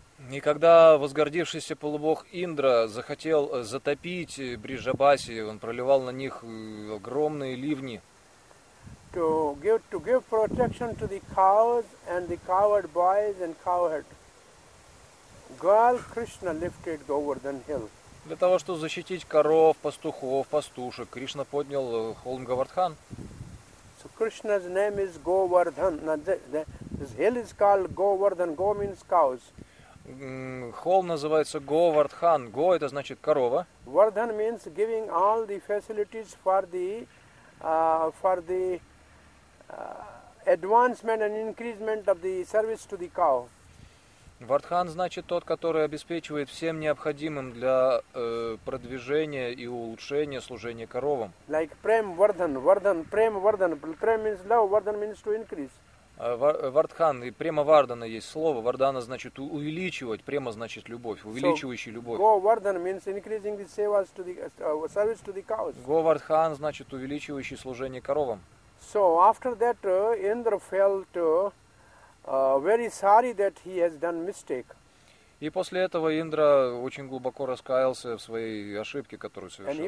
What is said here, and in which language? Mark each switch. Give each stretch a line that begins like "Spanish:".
Russian: И когда возгордившийся полубог Индра захотел затопить Бриджабаси, он проливал на них огромные ливни.
English: To give protection to the cows and the cowherd boys and cowherd girl, Krishna lifted Govardhan Hill.
Russian: Для того, чтобы защитить коров, пастухов, пастушек, Кришна поднял холм Говардхан.
English: So Krishna's name is Govardhan. This hill is called Govardhan. Go means cows.
Russian: Холм называется Говардхан. Го это значит корова.
English: Вардхан means giving all the facilities for the advancement and increasement of the service to the cow.
Russian: Вардхан значит тот, который обеспечивает всем необходимым для продвижения и улучшения служения коровам.
English: Like Prem Vardhan, Vardhan, Prem Vardhan. Prem means love, Vardhan means to increase.
Russian: Вардхан, и према Вардана есть слово. Вардана значит увеличивать, према значит любовь, увеличивающий любовь.
English: Говардхан means increasing the service to the service to the cows.
Russian: Говардхан значит увеличивающий служение коровам.
English: So after that, Indra felt very sorry that he has done mistake.
Russian: И после этого Индра очень глубоко раскаялся в своей ошибке, которую совершил.